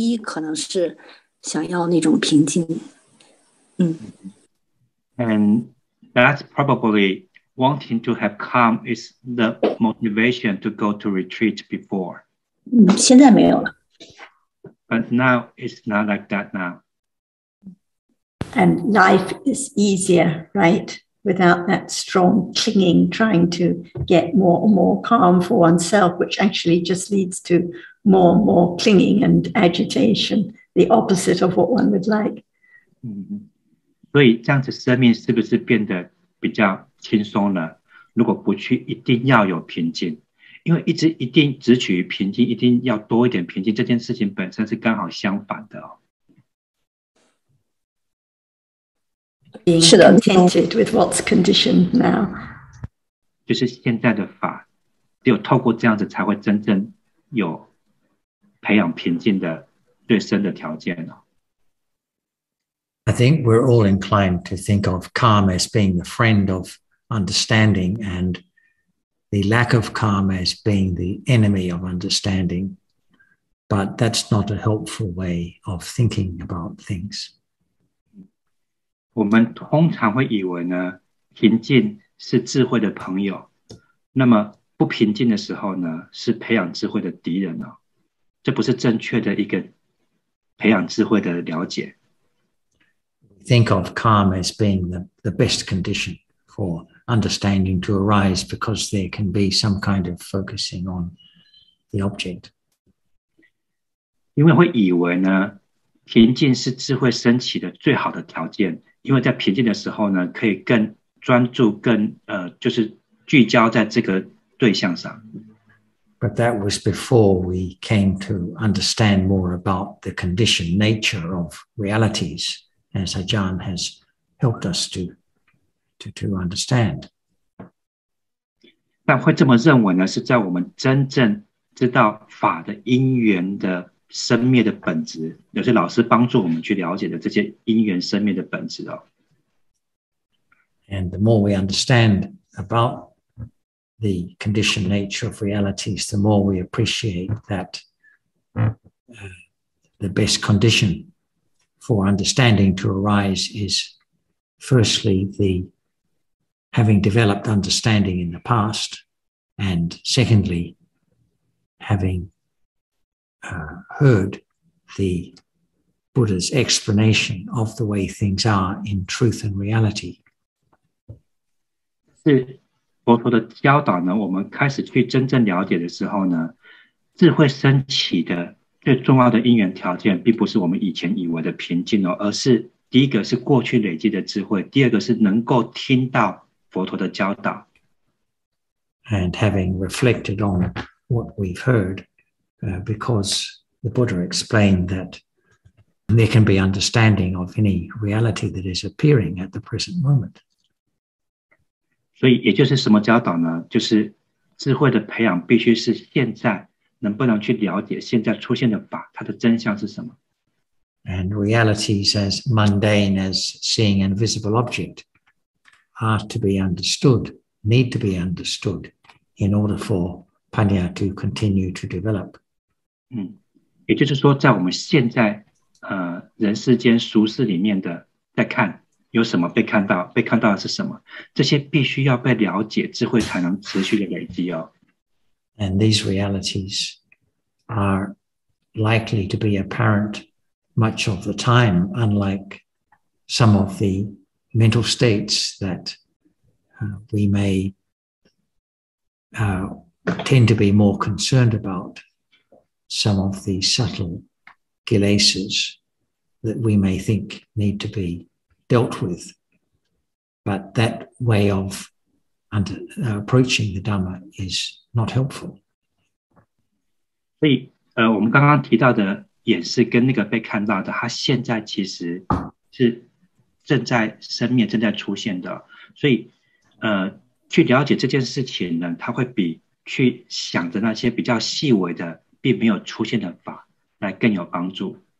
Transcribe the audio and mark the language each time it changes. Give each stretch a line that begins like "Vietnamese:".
Chinese: 就是最早年间去禅修的目的之一，可能是想要那种平静。
English: And that's probably wanting to have calm is the motivation to go to retreat before.
Chinese: 现在没有了。
English: But now it's not like that now. And life is easier, right? Without that strong clinging, trying to get more and more calm for oneself, which actually just leads to more and more clinging and agitation, the opposite of what one would like. Mm-hmm.
Chinese: 所以这样子生命是不是变得比较轻松呢？如果不去，一定要有平静，因为一直一定执取于平静，一定要多一点平静，这件事情本身是刚好相反的哦。
English: being contented with what's conditioned now.
Chinese: 就是现在的法，只有透过这样子才会真正有培养平静的最深的条件哦。
English: I think we're all inclined to think of calm as being the friend of understanding and the lack of calm as being the enemy of understanding. But that's not a helpful way of thinking about things.
Chinese: 我们通常会以为呢，平静是智慧的朋友，那么不平静的时候呢，是培养智慧的敌人哦。这不是正确的一个培养智慧的了解。
English: Think of calm as being the best condition for understanding to arise because there can be some kind of focusing on the object.
Chinese: 因为会以为呢，平静是智慧升起的最好的条件，因为在平静的时候呢，可以更专注，更就是聚焦在这个对象上。
English: But that was before we came to understand more about the conditioned nature of realities. As Ajahn has helped us to understand.
Chinese: 但会这么认为呢，是在我们真正知道法的因缘的生灭的本质，有些老师帮助我们去了解的这些因缘生灭的本质哦。
English: And the more we understand about the conditioned nature of realities, the more we appreciate that the best condition. For understanding to arise is firstly the having developed understanding in the past, and secondly, having heard the Buddha's explanation of the way things are in truth and reality.
Chinese: 是佛陀的教导呢，我们开始去真正了解的时候呢，智慧升起的。最重要的因缘条件并不是我们以前以为的平静哦，而是第一个是过去累积的智慧，第二个是能够听到佛陀的教导。
English: And having reflected on what we've heard, because the Buddha explained that there can be understanding of any reality that is appearing at the present moment.
Chinese: 所以也就是什么教导呢？就是智慧的培养必须是现在。能不能去了解现在出现的法，它的真相是什么
English: ？And realities as mundane as seeing an invisible object are to be understood, need to be understood, in order for panya to continue to develop.
Chinese: 嗯，也就是说，在我们现在人世间俗世里面的在看有什么被看到，被看到的是什么，这些必须要被了解，智慧才能持续的累积哦。
English: And these realities are likely to be apparent much of the time, unlike some of the mental states that we may tend to be more concerned about, some of the subtle kilesas that we may think need to be dealt with. But that way of approaching the Dhamma is not helpful.
Chinese: 所以，我们刚刚提到的眼识跟那个被看到的，它现在其实是正在生灭、正在出现的。所以，去了解这件事情呢，它会比去想着那些比较细微的、并没有出现的法来更有帮助。